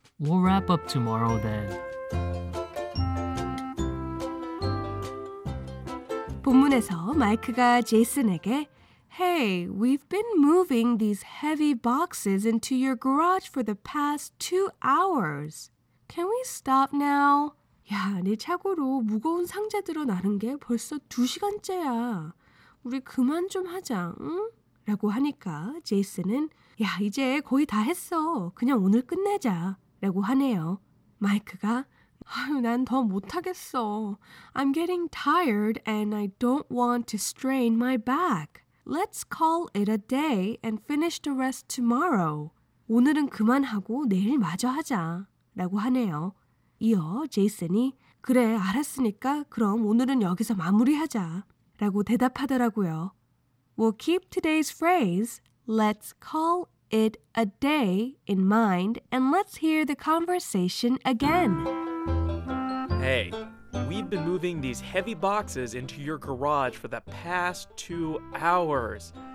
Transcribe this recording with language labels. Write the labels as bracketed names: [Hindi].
[English] We'll wrap up tomorrow then. [Korean] 본문에서 마이크가 제이슨에게 [English] Hey, we've been moving these heavy boxes into your garage for the past 2 hours. Can we stop now? [Korean] 야, 내 차고로 무거운 상자들어 나른 게 벌써 2시간째야. 우리 그만 좀 하자, 응? 라고 하니까 제이슨은 야 이제 거의 다 했어 그냥 오늘 끝내자 라고 하네요. 마이크가 아유 난 더 못하겠어. [English] I'm getting tired and I don't want to strain my back. Let's call it a day and finish the rest tomorrow. [Korean] 오늘은 그만하고 내일 마저 하자 라고 하네요. 이어 제이슨이 그래 알았으니까 그럼 오늘은 여기서 마무리하자 라고 대답하더라고요. [English] We'll keep today's phrase, let's call it a day in mind and let's hear the conversation again. Hey, we've been moving these heavy boxes into your garage for the past 2 hours.